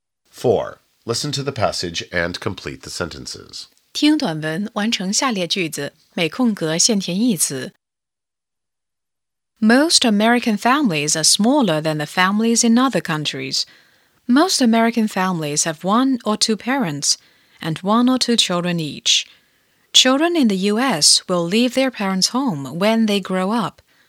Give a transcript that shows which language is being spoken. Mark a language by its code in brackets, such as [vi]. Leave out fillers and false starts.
[en] Four. Listen to the passage and complete the sentences. [zh] 听短文，完成下列句子，每空格限填一词。 [en] Most American families are smaller than the families in other countries. Most American families have one or two parents and one or two children each. Children in the U.S. will leave their parents' home when they grow up.